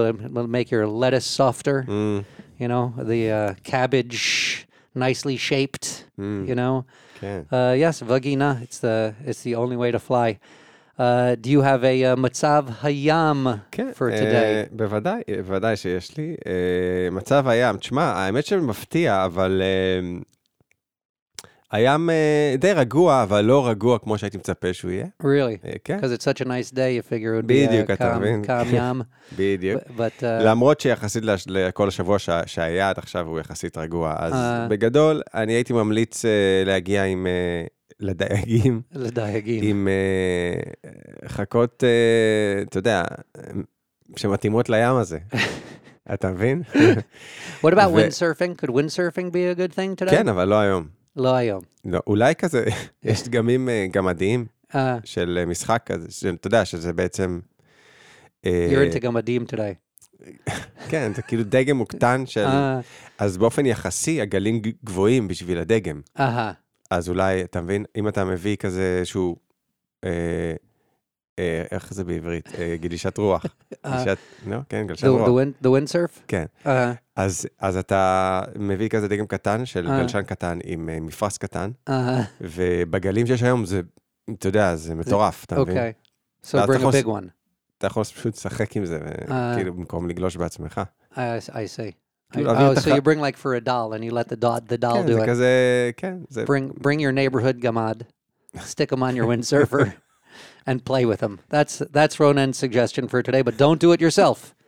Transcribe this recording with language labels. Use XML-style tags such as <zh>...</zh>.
<en>It'll make your lettuce softer. Mm. You know, the cabbage nicely shaped, you know. Okay. Yes, Vagina, it's the only way to fly. Do you have a מצב הים for today?</en> <he>בוודאי, בוודאי שיש לי. מצב הים, תשמע, האמת שמפתיע, אבל הים די רגוע, אבל לא רגוע כמו שהייתי מצפה שהוא יהיה.</he> <en>Really?</en> <he>כן.</he> <en>Because it's such a nice day, you figure it would be a calm ים.</en> <he>בדיוק. למרות שיחסית לכל השבוע שהיה עד עכשיו הוא יחסית רגוע. אז בגדול, אני הייתי ממליץ להגיע עם לדייגים. לדייגים. עם חכות, אתה יודע, שמתאימות לים הזה. אתה מבין?</he> <en>What about windsurfing? Could windsurfing be a good thing today?</en> <he>כן, אבל לא היום. לא היום. לא, אולי כזה, יש דגמים גמדיים של משחק כזה, שאתה יודע שזה בעצם...</he> <en>You're into גמדיים today.</en> <he>כן, זה כאילו דגם מוקטן של... אז באופן יחסי, הגלים גבוהים בשביל הדגם. אז אולי, אתה מבין, אם אתה מביא כזה שהוא... איך זה בעברית? גלישת רוח. גלישת, לא? כן, גלישת רוח. The windsurf? כן. אז אתה מביא כזה דגם קטן, של גלשן קטן עם מפרס קטן, ובגלים שיש היום זה, אתה יודע, זה מטורף, אתה מבין?</he> <en>אוקיי. So bring a big one.</en> <he>אתה יכול פשוט לשחק עם זה, כאילו במקום לגלוש בעצמך.</he> <en>I see. Oh, so you bring like for a doll, and you let the doll do it.</en> <he>כן, זה כזה, כן.</he> <en>Bring your neighborhood gamad, stick them on your windsurfer. And play with them. That's Ronan's suggestion for today, but don't do it yourself.</en>